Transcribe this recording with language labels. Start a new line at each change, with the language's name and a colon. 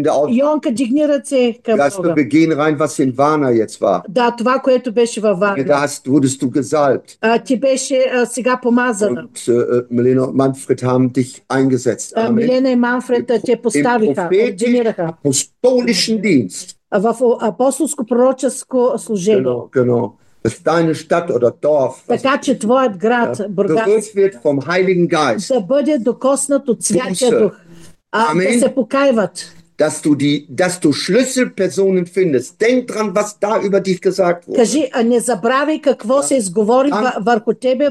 Bulgarian: Йонка, дигни ръце към Бога.
German: Gast du begin rein, was in Vana jetzt war.
Bulgarian: Да, това, което беше във Варна.
German: Da hast, wurdest du gesalbt.
Bulgarian: Ти беше сега помазана.
German: Und Milena und Manfred haben dich eingesetzt.
Bulgarian: Milena и Манфред те поставиха, ординираха.
German: Im apostolischen Dienst.
Bulgarian: В апостолско-пророческо служение.
German: Genau. Dass deine Stadt oder Dorf
Bulgarian: така, че твоят град, Бургас, да бъде докоснат от Святия Дух, Amen. Да се покайват.
German: Dass du die, dass du Schlüsselpersonen findest. Denk dran, was da über dich gesagt wurde.
Bulgarian: Кажи, не забравяй какво се изговори върху тебе